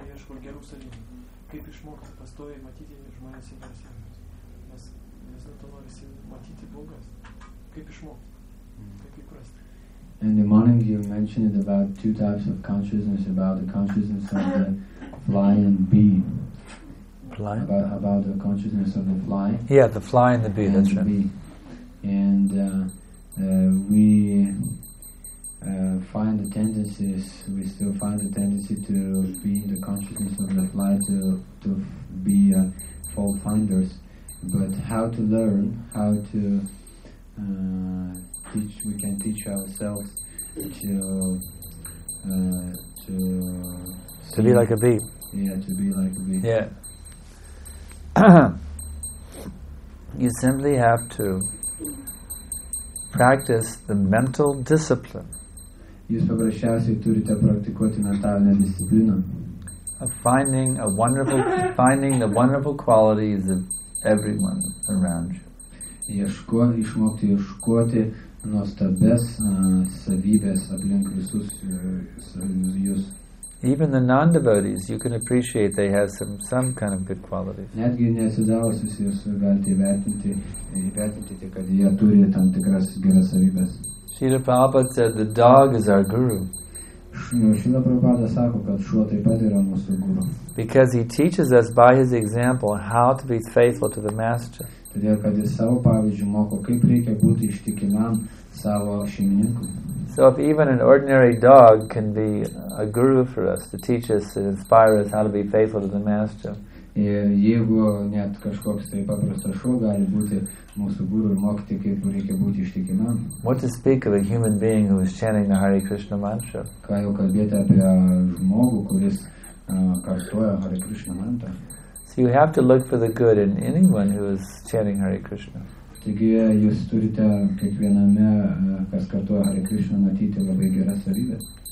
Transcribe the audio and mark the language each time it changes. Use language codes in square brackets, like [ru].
[lt] Kaip išmokti pastoviai matyti žmonės į mūsų sielas? Nes dėl to norisi matyti Bogą. Kaip išmokti? Kaip įprasti? [en] In the morning you mentioned about two types of consciousness, about the consciousness of the fly and bee. Fly? About the consciousness of the fly. Yeah, the fly and the bee, that's right. And we find the tendencies, we still find the tendency to be in the consciousness of the fly, to be fault finders. But how to learn, how to teach, we can teach ourselves to be like a bee. Yeah, to be like a bee. Yeah. You simply have to practice the mental discipline. [lt] Jūs paprasčiausiai turite praktikuoti mentalinę discipliną. [en] finding the wonderful qualities of everyone around you. [lt] Išmokti ieškoti nuostabias savybės aplink visus jūs. [en] Even the non-devotees, you can appreciate they have some kind of good qualities. [lt] Netgi nesidavusius jūs galite įvertinti, kad jie turi tam tikras geras savybės. [en] Srila Prabhupada said the dog is our guru. [lt] Srila Prabhupada sako, kad šuo taip pat yra mūsų guru. [en] Because he teaches us by his example how to be faithful to the master. [lt] Todėl, kad jis savo pavyzdžiu moko, kaip reikia būti ištikimam savo šeimininkui. [en] So if even an ordinary dog can be a guru for us, to teach us and inspire us how to be faithful to the master. [lt] Jeigu net kažkoks tai paprastas šuo gali būti mūsų guru ir mokyti, kaip reikia būti ištikimam. [en] What to speak of a human being who is chanting the Hare Krishna mantra? [lt] Ką jau kalbėti apie žmogų, kuris kartoja Hare Krishna mantrą? [en] So you have to look for the good in anyone who is chanting Hare Krishna. [lt] Taigi jūs turite kiekviename, kas kartuoja Hare Krishna, matyti labai geras savybės.